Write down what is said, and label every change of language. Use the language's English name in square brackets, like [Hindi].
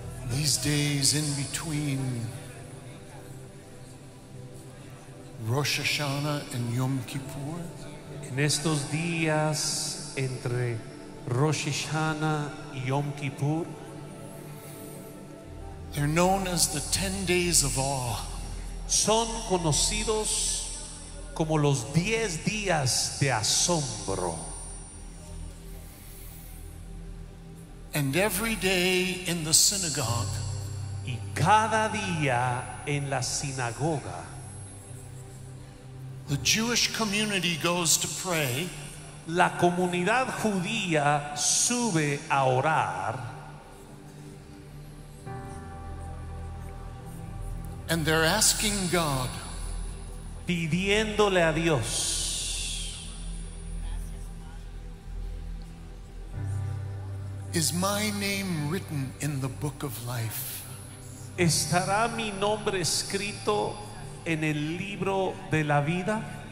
[English] These days in between Rosh Hashanah and Yom Kippur, [Spanish] en estos días entre Rosh Hashanah y Yom Kippur, [English] they're known as the 10 days of awe. [Spanish] Son conocidos como los 10 días de asombro. [English] And every day in the synagogue, [Spanish] y cada día en la sinagoga, [English] the Jewish community goes to pray. [Spanish] La comunidad judía sube a orar. [English] And they're asking God, [Spanish] pidiéndole a Dios. [English] Is my name written in the book of life? [Spanish] ¿Estará mi nombre escrito en el libro de la vida?